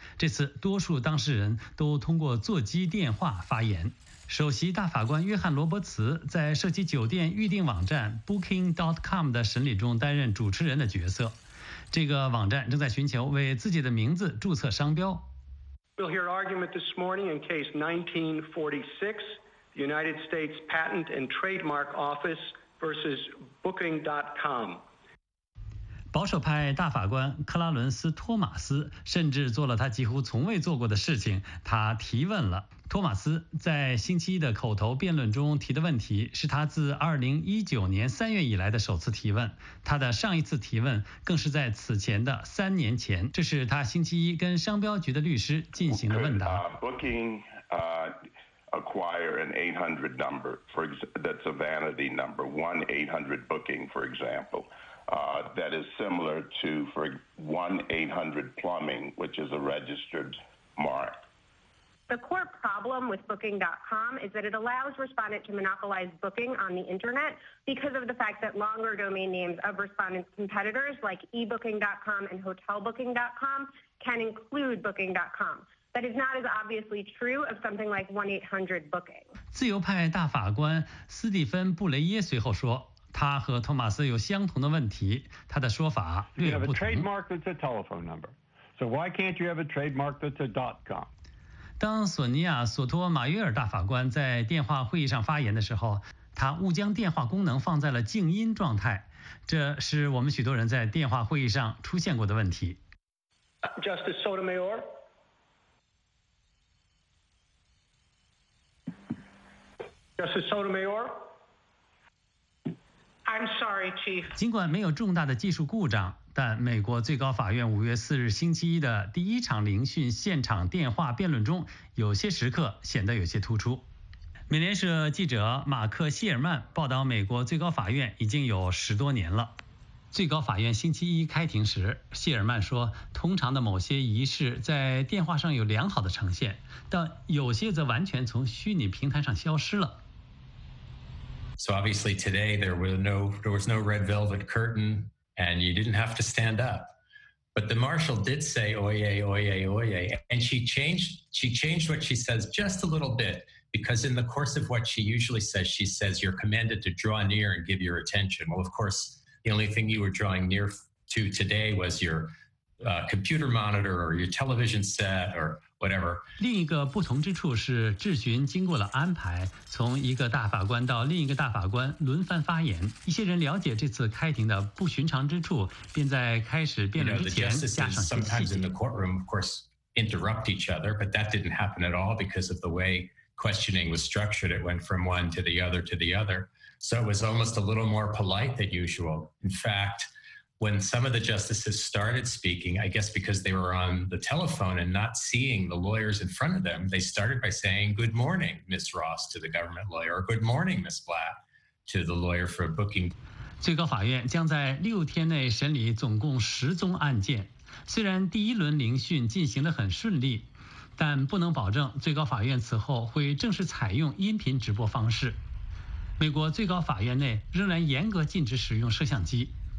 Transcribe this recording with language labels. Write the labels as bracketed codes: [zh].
[zh] 这次多数当事人都通过座机电话发言。首席大法官约翰·罗伯茨在涉及酒店预订网站 booking.com 的审理中担任主持人的角色。这个网站正在寻求为自己的名字注册商标。 [en] We'll hear argument this morning in case 1946, the United States Patent and Trademark Office versus Booking.com. [zh] 保守派大法官克拉伦斯·托马斯甚至做了他几乎从未做过的事情，他提问了。托马斯在星期一的口头辩论中提的问题是他自2019年3月以来的首次提问，他的上一次提问更是在此前的3年前。这是他星期一跟商标局的律师进行的问答。 [en] Booking acquire an 800 number for that's a vanity number, 1-800 booking for example, that is similar to for 1-800 plumbing, which is a registered mark. The core problem with Booking.com is that it allows respondent to monopolize booking on the internet because of the fact that longer domain names of respondent's competitors like eBooking.com and HotelBooking.com can include Booking.com. That is not as obviously true of something like 1-800-Booking. [zh] 自由派大法官斯蒂芬·布雷耶随后说，他和托马斯有相同的问题，他的说法略有不同。 [en] You have a trademark that's a telephone number. So why can't you have a trademark that's a .com? [zh] 当索尼亚·索托马约尔大法官在电话会议上发言的时候，他误将电话功能放在了静音状态，这是我们许多人在电话会议上出现过的问题。 [en] Justice Sotomayor? Justice Sotomayor? I'm sorry, Chief. [zh] 尽管没有重大的技术故障，但美国最高法院5月4日星期一的第一场聆讯现场电话辩论中，有些时刻显得有些突出。美联社记者马克·希尔曼报道，美国最高法院已经有十多年了。最高法院星期一开庭时，希尔曼说，通常的某些仪式在电话上有良好的呈现，但有些则完全从虚拟平台上消失了。 [en] So obviously today there was no red velvet curtain and you didn't have to stand up. But the marshal did say oyez, oyez, oyez, and she changed what she says just a little bit, because in the course of what she says you're commanded to draw near and give your attention. Well, of course, the only thing you were drawing near to today was your computer monitor or your television set or whatever. [zh] 另一个不同之处是质询经过了安排，从一个大法官到另一个大法官轮番发言。一些人了解这次开庭的不寻常之处，便在开始辩论之前加上些细节。 [en] The justices sometimes in the courtroom, of course, interrupt each other, but that didn't happen at all because of the way questioning was structured. It went from one to the other to the other. So it was almost a little more polite than usual. In fact,When some of the justices started speaking, I guess because they were on the telephone and not seeing the lawyers in front of them, they started by saying, good morning, Ms. Ross, to the government lawyer, or good morning, Ms. Black, to the lawyer for booking. [zh] 最高法院将在六天内审理总共十宗案件。虽然第一轮聆讯进行得很顺利，但不能保证最高法院此后会正式采用音频直播方式。美国最高法院内仍然严格禁止使用摄像机。